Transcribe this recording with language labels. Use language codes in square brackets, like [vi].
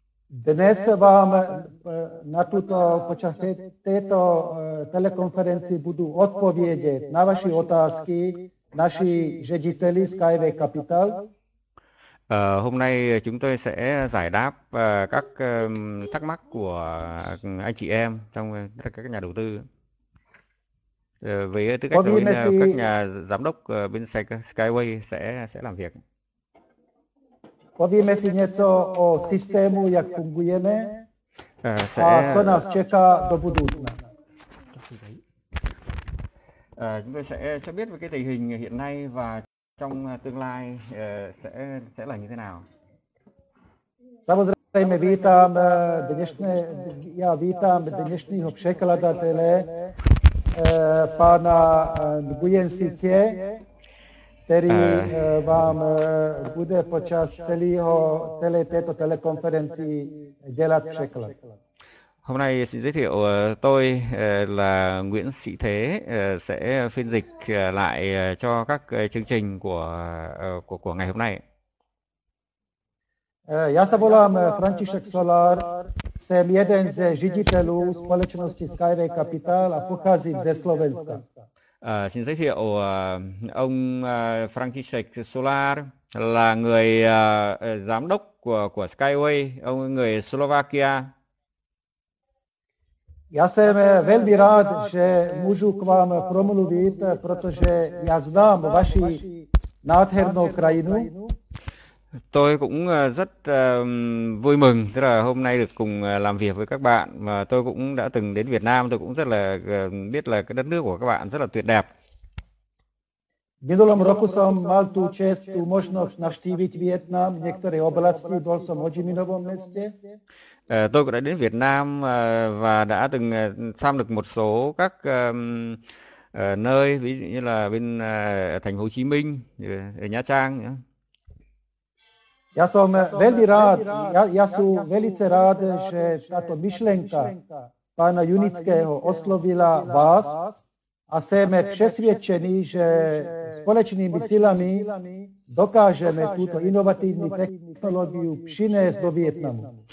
[cs] Dnes vám na tuto počas této telekonferenci budu odpovědět na vaši otázky naši řediteli Skyway Capital. [vi] Hôm nay chúng tôi sẽ giải đáp các thắc mắc của anh chị em trong các nhà đầu tư. Với tư cách đối với các nhà giám đốc bên Skyway sẽ làm việc. [cs] Povíme si něco o systému, jak fungujeme a co nás čeká do budoucna. [vi] Chúng tôi sẽ cho biết về cái tình hình hiện nay và trong tương lai sẽ là như thế nào. [cs] Samozřejmě vítám dnešního překladatele pana Nguyen Si Tse, který vám bude počas celé této telekonferenci dělat překlad. [vi] Hôm nay xin giới thiệu tôi là Nguyễn Sĩ Thế sẽ phiên dịch lại cho các chương trình của ngày hôm nay. [cs] Já se volám František Solar, jsem jeden ze ředitelů společnosti Skyway Capital a pocházím ze Slovenska. [vi] Xin giới thiệu ông František Solár là người giám đốc của Skyway, ông người Slovakia. [cs] Já jsem velmi rád, že můžu k vám promluvit, protože já znám vaši nádhernou krajinu. [vi] Tôi cũng rất vui mừng, tức là hôm nay được cùng làm việc với các bạn. Mà tôi cũng đã từng đến Việt Nam, tôi cũng rất là biết là cái đất nước của các bạn rất là tuyệt đẹp. [sk] Minulom roku som mal tú čest, tú možnosť navštíviť Vietnam, niektoré oblasti, bol som v Hodžiminovom meste. [vi] Tôi cũng đã đến Việt Nam và đã từng thăm được một số các nơi, ví dụ như là bên thành phố Hồ Chí Minh, ở Nha Trang. [cs] Já jsem velmi rád, já jsem velice rád, že tato myšlenka pana Junického oslovila vás a jsem přesvědčený, že společnými silami dokážeme tuto inovativní technologii přinést do Vietnamu.